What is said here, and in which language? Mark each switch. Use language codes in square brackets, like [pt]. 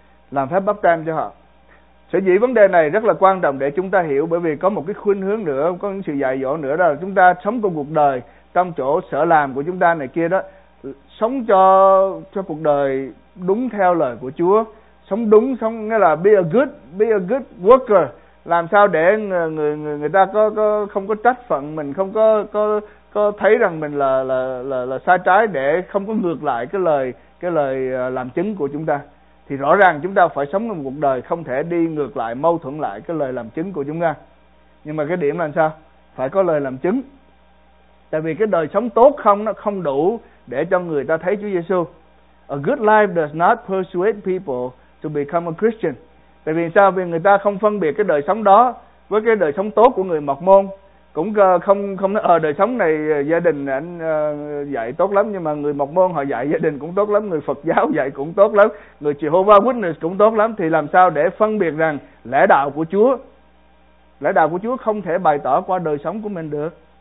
[vi] Làm phép báp têm cho họ. Sở dĩ vấn đề này rất là quan trọng để chúng ta hiểu, bởi vì có một cái khuynh hướng nữa, có những sự dạy dỗ nữa, đó là chúng ta sống trong cuộc đời, trong chỗ sở làm của chúng ta này kia đó, sống cho cuộc đời đúng theo lời của Chúa, sống đúng, sống nghĩa là [en] be a good worker, [vi] làm sao để người ta có không có trách phận mình, không có thấy rằng mình là sai trái, để không có ngược lại cái lời làm chứng của chúng ta. Thì rõ ràng chúng ta phải sống một cuộc đời không thể đi ngược lại, mâu thuẫn lại cái lời làm chứng của chúng ta. Nhưng mà cái điểm là sao? Phải có lời làm chứng. Tại vì cái đời sống tốt không, nó không đủ để cho người ta thấy Chúa Giêsu. [en] A good life does not persuade people to become a Christian. [vi] Tại vì sao? Vì người ta không phân biệt cái đời sống đó với cái đời sống tốt của người mọc môn. cũng không nói, đời sống này gia đình anh dạy tốt lắm, nhưng mà người Mộc Môn họ dạy gia đình cũng tốt lắm, người Phật giáo dạy cũng tốt lắm, người Jehovah Witness cũng tốt lắm, thì làm sao để phân biệt rằng lẽ đạo của Chúa, lẽ đạo của Chúa không thể bày tỏ qua đời sống của mình được.